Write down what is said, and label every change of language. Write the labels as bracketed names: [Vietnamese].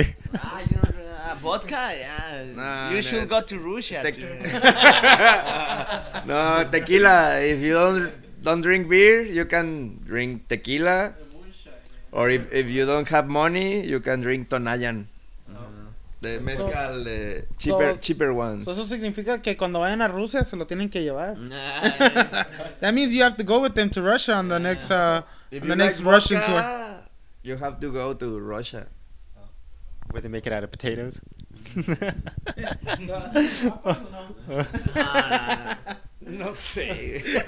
[English] You don't drink vodka? Yeah. Should go to Russia. No, tequila. If you don't drink beer, you can drink tequila. Or if you don't have money, you can drink Tonayan. The mezcal, cheaper ones. [Spanish] So eso significa que cuando vayan a Rusia se lo tienen que llevar. [English] That means you have to go with them to Russia on the next Russian tour. You have to go to Russia. Where they make it out of potatoes? [Spanish] No sé.